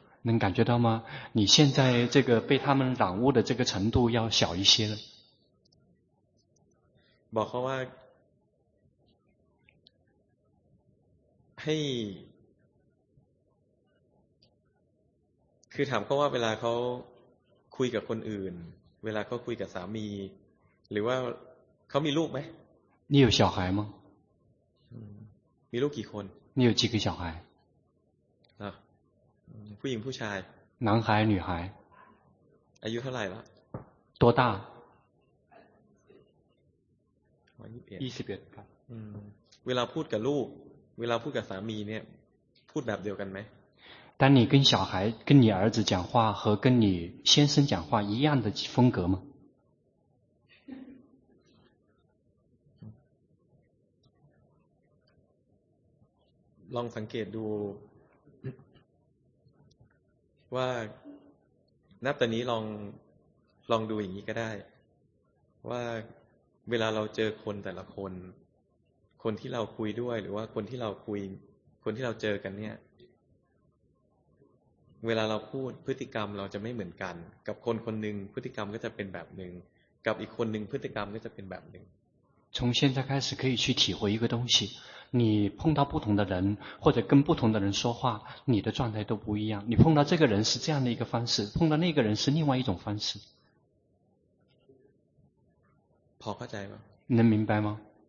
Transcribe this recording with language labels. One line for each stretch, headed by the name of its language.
Chinese: 能感觉到吗你现在这个被他们染污的这个程度要小一些了
Thai: บอกเขาว่าให้คือถามเขาว่าเวลาเขาคุยกับคนอื่นเวลาเขาคุยกับสามีหรือว่าเขามีลูกไหม
Chinese: 你有小孩吗
Thai: มีลูกกี่คน
Chinese: 你有几个小孩
Thai: ผู้หญิงผู้ชาย
Chinese: 男孩女孩
Thai: อายุเท่าไหร่ละ
Chinese: 多大
Thai: 21ครับเวลาพูดกับลูกเวลาพูดกับสามีเนี่ยพูดแบบเดียวกันไหม
Chinese: 当你跟小孩跟你儿子讲话和跟你先生讲话一样的风格吗
Thai: ลองสังเกตดูว่านับแต่นี้ลองดูอย่างนี้ก็ได้ว่าเวลาเราเจอคนแต่ละคนคนที่เราคุยด้วยหรือว่าคนที่เราคุยคนที่เราเจอกันเนี่ยเวลาเราพูดพฤติกรรมเราจะไม่เหมือนกันกับคนคนหนึ่งพฤติกรรมก็จะเป็นแบบหนึ่งกับอีกคนหนึ่งพฤติกรรมก็จะเป็นแบบหนึ่ง
Chinese: 从现在开始可以去体会一个东西你碰到不同的人或者跟不同的人说话你的状态都不一样你碰到这个人是这样的一个方式碰到那个人是另外一种方式跑快宅吗能明白吗